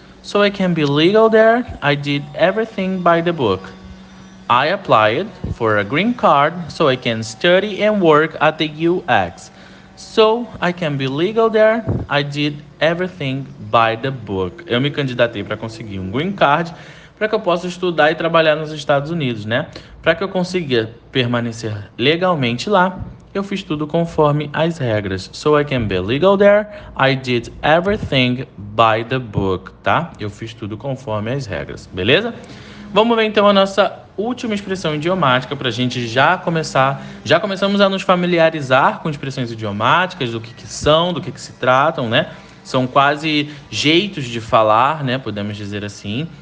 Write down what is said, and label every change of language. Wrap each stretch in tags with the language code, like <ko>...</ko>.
<en>So I can be legal there, I did everything by the book. I applied for a green card so I can study and work at the US. So I can be legal there, I did everything by the book.</en> <pt>Eu me candidatei para conseguir um green card para que eu possa estudar e trabalhar nos Estados Unidos, né? Para que eu consiga permanecer legalmente lá, eu fiz tudo conforme as regras.</pt> <en>So I can be legal there, I did everything by the book, tá?</en> <pt>Eu fiz tudo conforme as regras, beleza? Vamos ver então a nossa última expressão idiomática para a gente já começar. Já começamos a nos familiarizar com expressões idiomáticas, do que são, do que se tratam, né? São quase jeitos de falar, né? Podemos dizer assim.</pt>